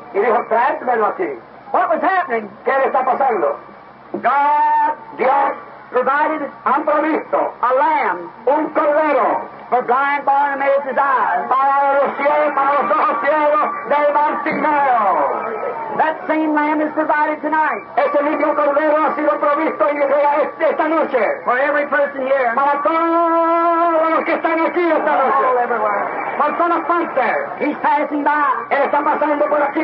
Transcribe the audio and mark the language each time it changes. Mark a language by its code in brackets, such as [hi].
[es] Y dijo, tráemelo aquí. [en] What was happening? [es] ¿Qué le está pasando? [en] God. [es] Dios. [en] Provided. [es] Han provisto. [en] A lamb. [es] Un cordero. [en] For blind Bartimaeus' eyes. [es] Para los ojos ciegos de Bartimeo. [en] That same lamb is provided tonight. [es] Ese mismo cordero ha sido provisto y llega esta noche. [en] For every person here. [es] Para todos los que están aquí esta noche. [en] All everywhere. [es] Para todas partes. [en] He's passing by. [es] Él está pasando por aquí.